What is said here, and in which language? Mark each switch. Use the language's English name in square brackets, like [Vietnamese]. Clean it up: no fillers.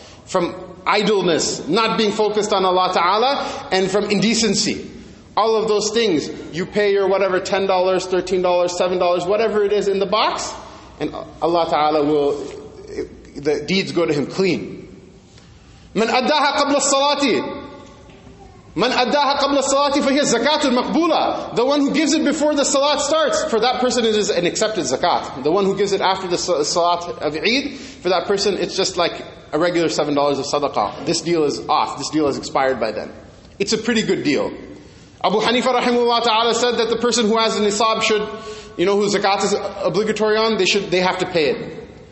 [English] From idleness, not being focused on Allah ta'ala, and from indecency. All of those things, you pay your whatever, $10, $13, $7, whatever it is in the box, and Allah ta'ala will, the deeds go to him clean. [Arabic] من أداها قبل الصلاة من أداها قبل الصلاة فهي زكات المقبولة. [English] The one who gives it before the salat starts, for that person it is an accepted zakat. The one who gives it after the salat of Eid, for that person it's just like a regular $7 of sadaqah. This deal is off, this deal has expired by then. It's a pretty good deal. Abu Hanifa rahimahullah ta'ala said that the person who has a nisab should, you know, whose zakat is obligatory on, they have to pay it.